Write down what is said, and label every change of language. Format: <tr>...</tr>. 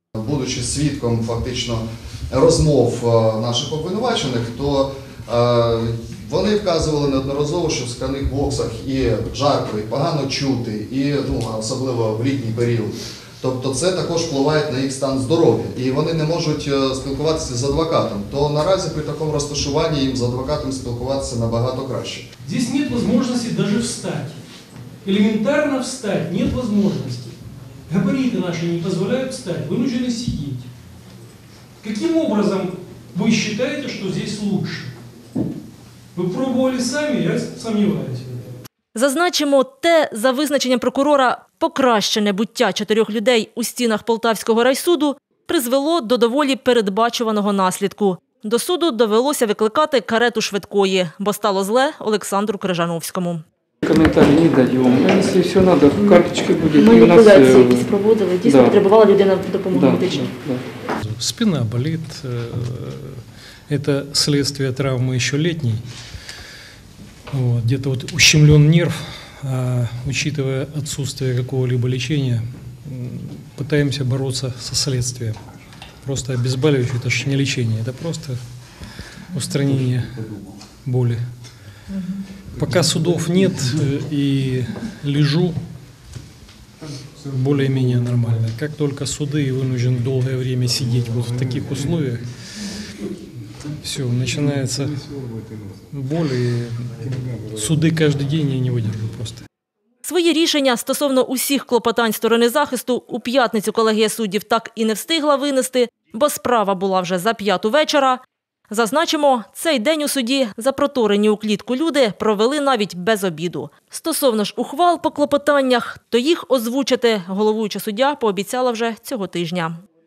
<uk>Будучи свідком фактично розмов наших обвинувачених, то вони вказували неодноразово, що в скляних боксах і жарко, і погано чути, і ну, особливо в літній період. Тобто це також впливає на їх стан здоров'я. І вони не можуть спілкуватися з адвокатом. То наразі при такому розташуванні їм з адвокатом спілкуватися набагато краще.</uk> <ru>Здесь нет возможности даже встать. Элементарно встать нет возможности. Габариты наши не позволяют встать, вынуждены сидеть. Каким образом вы считаете, что здесь лучше? Вы пробовали сами, я сомневаюсь.</ru> <uk>Зазначимо, те, за визначенням прокурора, покращене буття чотирьох людей у стінах Полтавського райсуду призвело до доволі передбачуваного наслідку. До суду довелося викликати карету швидкої, бо стало зле Олександру Крижановському. Коментарі не даємо. Якщо все треба, карточки будуть. Ми маніпуляції проводили. Дійсно да. Потребувала людина допомоги медичній. Да. Спина боліт. Це слідство травми ще літній. Десь ущемлен нерв.</uk> <ru>А учитывая отсутствие какого-либо лечения, пытаемся бороться со следствием. Просто обезболивающее, это же не лечение, это просто устранение боли. Пока судов нет и лежу более-менее нормально. Как только суды и вынужден долгое время сидеть вот в таких условиях, все, начинается боль, и суды каждый день я не выдержу просто.</ru> <uk>Свої рішення стосовно усіх клопотань сторони захисту у п'ятницю колегія суддів так і не встигла винести, бо справа була вже за п'яту вечора. Зазначимо, цей день у суді запроторені у клітку люди провели навіть без обіду. Стосовно ж ухвал по клопотаннях, то їх озвучити головуюча суддя пообіцяла вже цього тижня.</uk>